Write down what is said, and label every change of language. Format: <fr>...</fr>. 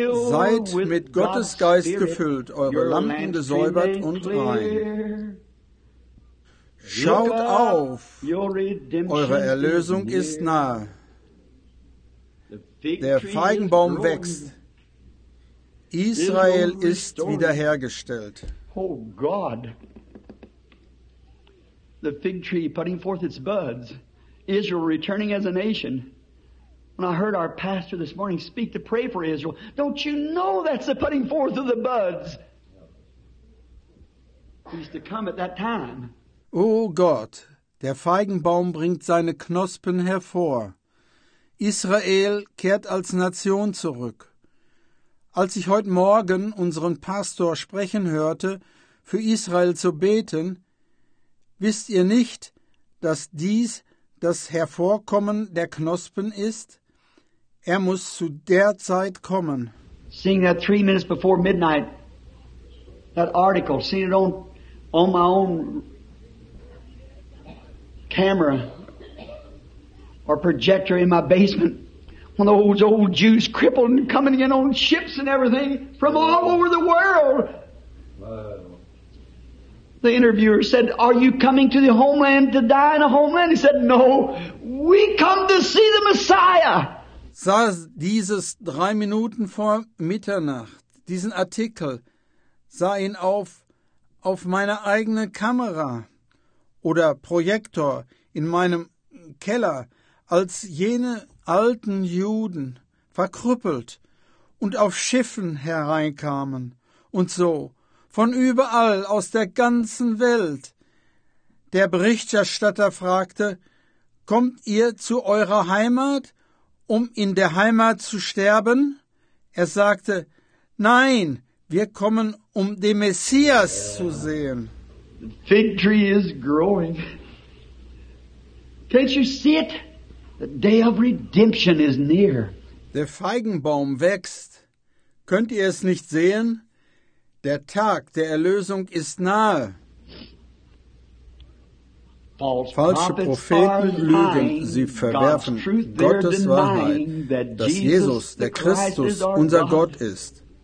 <de>Seid mit Gottes Geist gefüllt, eure Lampen gesäubert und rein. Schaut auf, eure Erlösung ist nahe. Der Feigenbaum wächst. Israel ist wiederhergestellt.</de> <en>Oh God, the fig tree putting forth its buds, Israel returning as a nation. When I heard our pastor this morning speak to pray for Israel, don't you know that's the putting forth of the buds? He's to come at that time.</en> <de>Oh Gott, der Feigenbaum bringt seine Knospen hervor. Israel kehrt als Nation zurück. Als ich heute Morgen unseren Pastor sprechen hörte, für Israel zu beten, wisst ihr nicht, dass dies das Hervorkommen der Knospen ist? Er muss zu der Zeit kommen.</de> <en>Seeing that 3 minutes before midnight, that article, seeing it on my own camera or projector in my basement. One of those old Jews crippled and coming in on ships and everything from all over the world. The interviewer said, are you coming to the homeland to die in a homeland? He said, no, we come to see the Messiah.</en> <de>Sah dieses 3 Minuten vor Mitternacht, diesen Artikel, sah ihn auf meiner eigenen Kamera oder Projektor in meinem Keller, als jene alten Juden verkrüppelt und auf Schiffen hereinkamen und so von überall aus der ganzen Welt. Der Berichterstatter fragte, kommt ihr zu eurer Heimat, um in der Heimat zu sterben? Er sagte, nein, wir kommen, um den Messias zu sehen.</de> <en>The fig tree is growing. Can't you see it? The day of redemption is near.</en> <de>Der Feigenbaum wächst. Könnt ihr es nicht sehen? Der Tag der Erlösung ist nahe. Falsche Propheten lügen, sie verwerfen Gottes Wahrheit, dass Jesus, der Christus, unser Gott ist.</de>